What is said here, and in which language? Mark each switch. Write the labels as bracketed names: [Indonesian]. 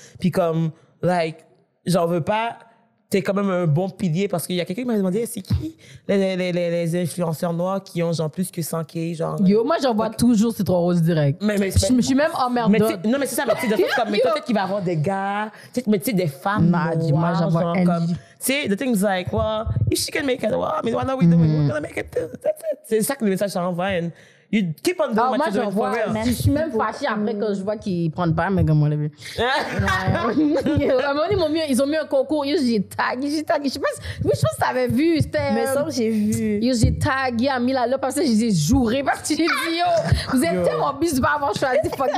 [French] Puis comme, [English] like, [French] j'en veux pas. T'es quand même un bon pilier parce qu'il y a quelqu'un qui m'a demandé c'est qui les influenceurs noirs qui ont genre plus que 100K genre. Yo, moi j'en vois toujours ces trois roses direct. Mais je suis même emmerdée. Non, mais c'est ça, mais tu sais, comme, mais toi, peut-être qu'il va avoir des gars, t'sais, mais tu sais, des femmes. Noires, moi j'en vois genre, comme. Tu sais, [English] the thing's like, well, if she can make it, well, I mean, why not we do it? We're gonna make it. [French] C'est ça que le message envoie. [English] You keep on doing what you're doing. [French] Je suis même fâchée après que je vois qu'ils prennent pas, mais comme on l'a vu. Ils ont mis un concours. J'ai tag. Je sais pas si t'avais vu. C'était, mais ça, j'ai vu. J'ai tag, il a mis la loi parce que je les ai jouré. Parce que j'ai dit, yo, vous êtes tellement bis de pas avoir choisi.